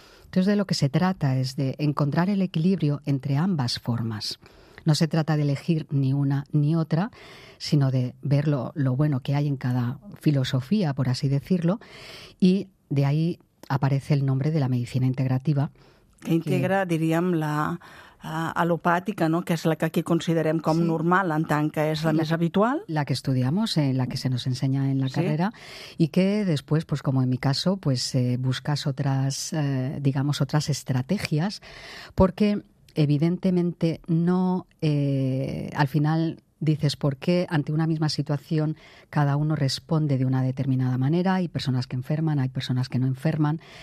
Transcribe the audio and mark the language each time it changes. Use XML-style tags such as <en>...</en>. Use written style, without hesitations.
<es>Entonces, de lo que se trata es de encontrar el equilibrio entre ambas formas. No se trata de elegir ni una ni otra, sino de ver lo bueno que hay en cada filosofía, por así decirlo, y de ahí aparece el nombre de la medicina integrativa.</es> <ca>Que integra, diríem, la alopàtica, no? Que és la que aquí considerem com normal, en tant que és la més habitual.</ca> <es>La que estudiamos, la que se nos enseña en la carrera, y que después, pues como en mi caso, pues buscas otras, digamos, otras estrategias, porque evidentemente no, al final dices por qué ante una misma situación cada uno responde de una determinada manera, hay personas que enferman, hay personas que no enferman.</es>